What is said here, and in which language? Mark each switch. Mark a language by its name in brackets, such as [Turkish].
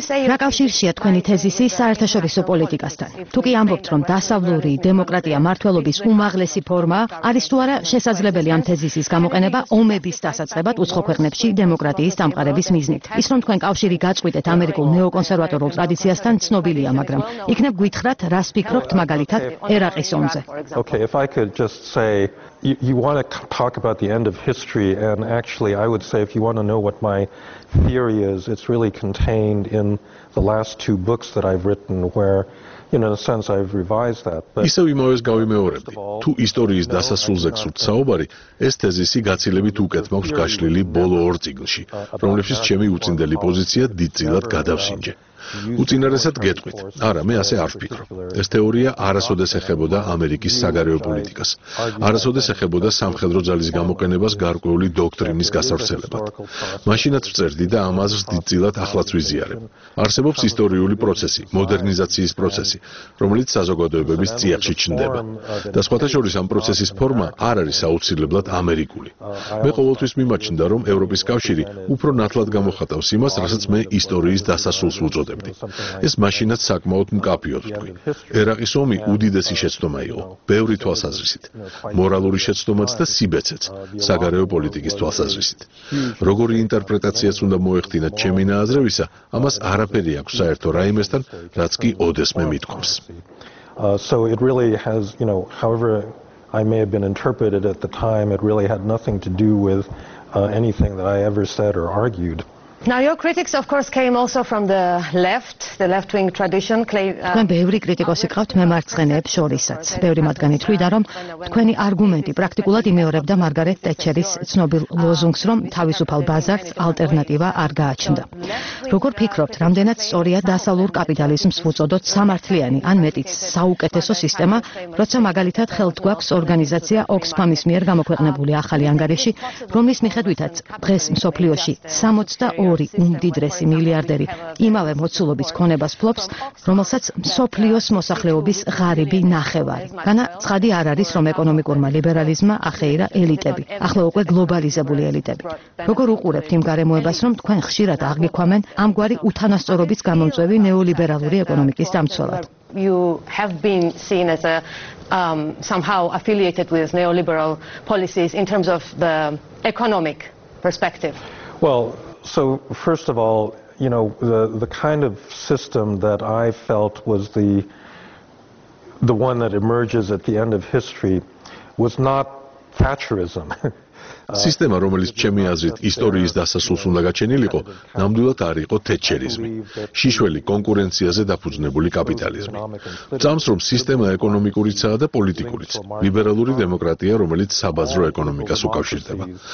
[Georgian] რა კავშირშია თქვენი თეზისი საერთაშორისო პოლიტიკასთან? თუ კი ამბობთ, რომ დასავლური დემოკრატია მართლობის უმაღლესი ფორმა, არის თუ არა შესაძლებელი ამ თეზისის გამოყენება ომების დასაწყებად უცხო ქვეყნებში დემოკრატიის დამყარების მიზნით? ის რომ თქვენ კავშირი გაწყვეტთ ამერიკულ ნეოკონსერვატორულ ტრადიციასთან ცნობილია, მაგრამ იქნებ გვითხრათ, რას ფიქრობთ მაგალითად ერაყის ომზე? [English] Okay, if I could just say you want to talk about the end of history, and actually I would say if you want to know what my theory is, it's really contained in the last two books that I've written, where in a sense I've revised that. [Georgian] But ისე იმავეს გავიმეორებდი. თუ ისტორიის დასასრულზე გსურთ საუბარი, ეს თეზისი გაცილებით უკეთ მაქვს გაშლილი ბოლო ორ წიგნში, რომლებშიც ჩემი უწინდელი პოზიცია დიდწილად გადავსინჯე. უწინარესად გეტყვით, არა, მე ასე არ ვფიქრო. ეს თეორია არასოდეს ეხებოდა ამერიკის საგარეო პოლიტიკას, არასოდეს ეხებოდა სამხედრო ძალის გამოყენებას გარკვეული დოქტრინის გასავრცელებლად. მაშინაც ვწერდი და ამაზს დიდწილად ახლაც ვიზიარებ. არსებობს ისტორიული პროცესი, მოდერნიზაციის პროცესი, რომელიც საზოგადოებების წიაღში ჩნდება. და სხვათა შორის ამ პროცესის ფორმა არ არის აუცილებლად ამერიკული. მე ყოველთვის მიმაჩნდა, რომ ევროპის კავშირი უფრო ნათლად გამოხატავს იმას, რასაც მე ისტორიის დასასრულს უწოდებდი. ეს მაშინაც საკმაოდ მკაფიოდ ვთქვი. ერაყის ომი უდიდესი შეცდომა იყო, ბევრი თვალსაზრისით. მორალური შეცდომაც და სიბეცეც, საგარეო პოლიტიკის თვალსაზრისით. როგორი ინტერპრეტაციაც უნდა მოეხდინათ ჩემი ნაზრევისა, ამას არაფერი აქვს საერთო რაიმესთან, რაც კი ოდესმე მითქმის. [English] So it really has, you know, however I may have been interpreted at the time, it really had nothing to do with anything that I ever said or argued. Now your critics of course came also from the left-wing tradition. [Georgian] თქვენ ბევრი კრიტიკოსი გყავთ მემარცხენეებს შორისაც. ბევრი მათგანი თვლიდა, რომ თქვენი არგუმენტი პრაქტიკულად იმეორებდა მარგარეტ ტეტჩერის ცნობილ ლოზუნგს, რომ თავისუფალ ბაზარს ალტერნატივა არ გააჩნდა. როგორ ფიქრობთ, რამდენად სწორია დასავლურ კაპიტალიზმს უწოდოთ სამართლიანი, ან მეტიც საუკეთესო სისტემა, როცა მაგალითად ხელთ გვაქვს ორგანიზაცია Oxfam-ის მიერ გამოქვეყნებული ახალი ანგარიში, რომლის მიხედვითაც დღეს მსოფლიოში 62 უმდიდრესი მილიარდერი იმავე მოცულობის ქონებას ფლობს, რომელსაც მსოფლიოს მოსახლეობის ღარიბი ნახევარი. განა ცხადი არ არის, რომ ეკონომიკურმა ლიბერალიზმმა ახეირა ელიტები, ახლა უკვე გლობალიზებული ელიტები. როგორ უყურებთ იმ გარემოებას, რომ თქვენ ხშირად აღგიქვამენ ამგვარი უთანასწორობის გამომწვევი ნეოლიბერალური ეკონომიკის დამცველად? [English] You have been seen as a somehow affiliated with neoliberal policies in terms of the economic perspective. Well, so first of all, you know, the kind of system that I felt was the one that emerges at the end of history was not Thatcherism. [Georgian] სისტემა, რომელიც ჩემი აზრით ისტორიის დასასრულს უნდა გაჩენილიყო, ნამდვილად არ იყო თეთჩერიზმი, შიშველი კონკურენციაზე დაფუძნებული კაპიტალიზმი. წამს რომ სისტემა ეკონომიკურიცაა და პოლიტიკურიც, ლიბერალური დემოკრატია, რომელიც საბაზრო ეკონომიკას უკავშირდება.